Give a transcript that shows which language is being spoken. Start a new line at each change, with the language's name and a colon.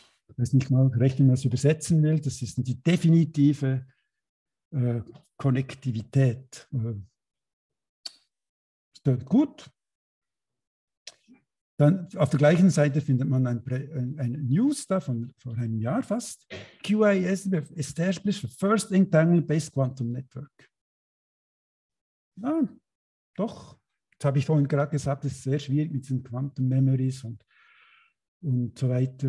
German: Ich weiß nicht mal, recht, wie man das übersetzen will. Das ist die definitive Konnektivität. Das tut gut. Dann auf der gleichen Seite findet man ein News da von vor einem Jahr fast.
English: QIS established for first entangled based quantum network.
German: Ja, doch. Das habe ich vorhin gerade gesagt, es ist sehr schwierig mit den Quantum Memories und so weiter.